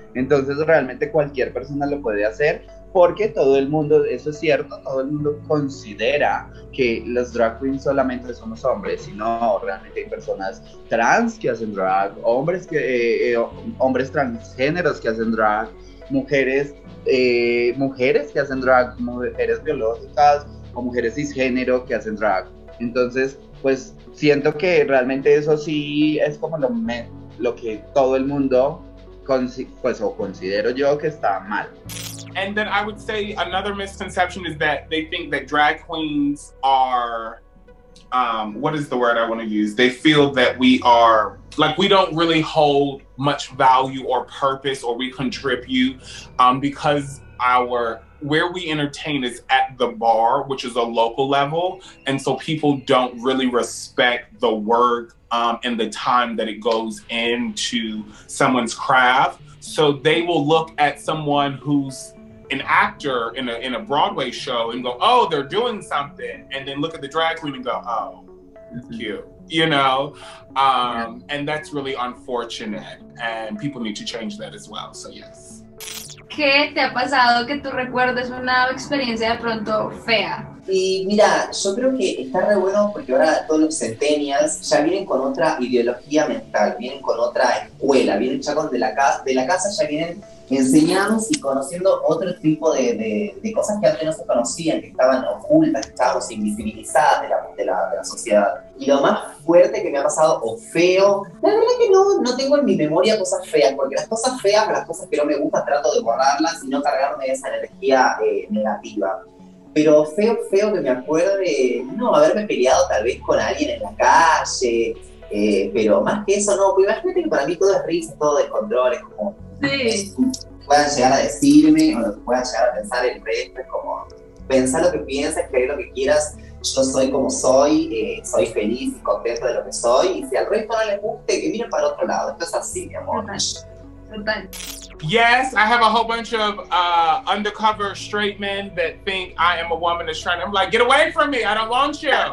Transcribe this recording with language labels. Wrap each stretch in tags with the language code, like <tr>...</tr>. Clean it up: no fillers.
<es>Entonces realmente cualquier persona lo puede hacer, porque todo el mundo, eso es cierto, todo el mundo considera que los drag queens solamente somos hombres, sino realmente hay personas trans que hacen drag, hombres que hombres transgéneros que hacen drag, mujeres que hacen drag, mujeres biológicas o mujeres cisgénero que hacen drag. Entonces, pues siento que realmente eso sí es como lo que todo el mundo considero yo que está mal.</es> <en>And then I would say another misconception is that they think that drag queens are what is the word I want to use? They feel that we are like, we don't really hold much value or purpose, or we contribute because our where we entertain is at the bar, which is a local level, and so people don't really respect the work and the time that it goes into someone's craft. So they will look at someone who's an actor in a Broadway show and go, oh, they're doing something, and then look at the drag queen and go, oh, cute, you know? And that's really unfortunate, and people need to change that as well, so yes.</en> <es>¿Qué te ha pasado que tú recuerdes una experiencia de pronto fea? Y mira, yo creo que está re bueno porque ahora todos los centennials ya vienen con otra ideología mental, vienen con otra escuela, vienen ya con de la casa ya vienen enseñados y conociendo otro tipo de cosas que antes no se conocían, que estaban ocultas, que estaban invisibilizadas de la sociedad. Y lo más fuerte que me ha pasado, o feo, la verdad es que no tengo en mi memoria cosas feas, porque las cosas feas, las cosas que no me gustan, trato de borrarlas y no cargarme esa energía negativa. Pero feo, feo que me acuerde, no, haberme peleado tal vez con alguien en la calle, pero más que eso, no, porque imagínate que para mí todo es risa, todo descontrol, es como... Sí. Puedan llegar a decirme o lo que puedan llegar a pensar el resto, es como pensar lo que pienses, creer lo que quieras. Yo soy como soy, soy feliz y contento de lo que soy. Y si al resto no les guste, que miren para otro lado. Esto es así, mi amor. Total.</es> <en>Yes, I have a whole bunch of undercover straight men that think I am a woman that's trying to, I'm like, get away from me, I don't want you.</en>